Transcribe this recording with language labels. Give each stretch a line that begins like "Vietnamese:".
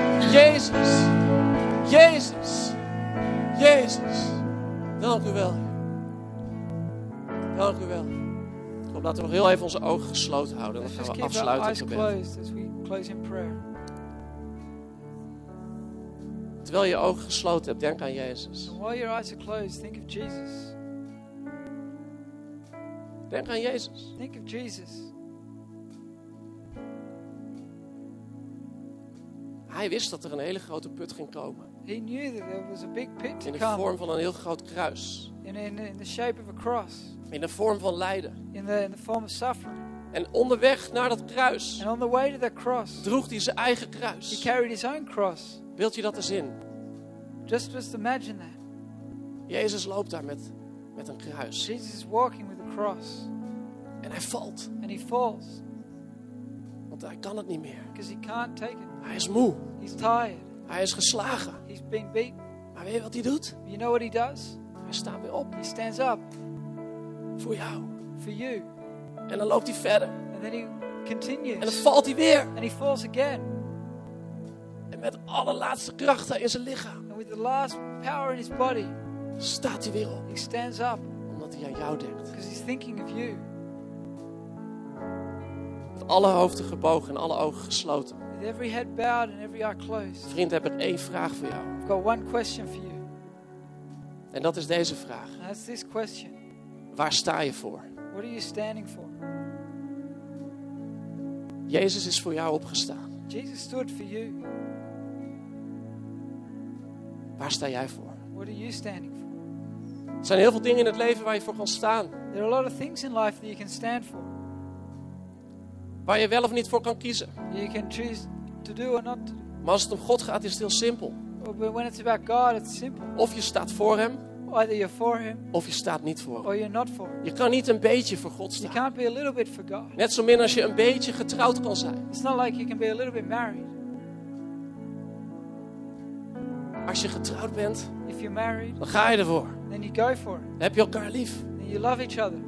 Dutch: Jezus. Jezus. Jezus. Dank u wel. Dank u wel. Laten we nog heel even onze ogen gesloten houden. Dan gaan we afsluiten in gebed. Terwijl je ogen gesloten hebt, denk aan Jezus.
English: While your eyes are closed, think of Jesus.
Dutch: Denk aan Jezus.
English: Think of Jesus.
Dutch: Hij wist dat er een hele grote put ging komen.
English: He knew that there was a big pit to
Dutch: in de vorm
English: come.
Dutch: Van een heel groot kruis.
English: In the shape of a cross.
Dutch: In de vorm van lijden.
English: In the form of suffering.
Dutch: En onderweg naar dat kruis.
English: And on the way to the cross.
Dutch: Droeg hij zijn eigen kruis.
English: He carried his own cross.
Dutch: Beeld je dat eens in?
English: Just imagine that.
Dutch: Jezus loopt daar met een kruis.
English: Jesus is walking with a cross.
Dutch: En hij valt.
English: And he falls.
Dutch: Want hij kan het niet meer.
English: Because he can't take it.
Dutch: Hij is moe.
English: He's tired.
Dutch: Hij is geslagen.
English: He's been beaten.
Dutch: Maar weet je wat hij doet?
English: You know what he does?
Dutch: Hij staat weer op.
English: He stands up.
Dutch: Voor jou.
English: For you.
Dutch: En dan loopt hij verder.
English: And then he continues.
Dutch: En dan valt hij weer.
English: And he falls again.
Dutch: En met alle laatste krachten in zijn lichaam.
English: And with the last power in his body.
Dutch: Staat hij weer op.
English: He stands up.
Dutch: Omdat hij aan jou denkt.
English: Because he's thinking of you.
Dutch: Met alle hoofden gebogen en alle ogen gesloten.
English: With every head bowed and every eye closed.
Dutch: Vriend, heb ik één vraag voor jou.
English: I've got one question for you.
Dutch: En dat is deze vraag.
English: And that's this question.
Dutch: Waar sta je voor?
English: What are you standing for?
Dutch: Jezus is voor jou opgestaan.
English: Jesus stood for you.
Dutch: Waar sta jij voor?
English: What are you standing for?
Dutch: Er zijn heel veel dingen in het leven waar je voor kan staan.
English: There are a lot of things in life that you can stand for.
Dutch: Waar je wel of niet voor kan kiezen.
English: You can choose to do or not to do.
Dutch: Maar als het om God gaat, is het heel simpel.
English: But when it's about God, it's simple.
Dutch: Of je staat voor hem.
English: Either you're for him,
Dutch: of je staat niet voor hem.
English: Or you're not for him.
Dutch: Je kan niet een beetje voor God staan.
English: You can't be a little bit for God.
Dutch: Net zo min als je een beetje getrouwd kan zijn.
English: It's not like you can be a little bit married.
Dutch: Als je getrouwd bent,
English: if you're married,
Dutch: dan ga je ervoor.
English: Then you go for it.
Dutch: Dan heb je elkaar lief.
English: Then you love each other.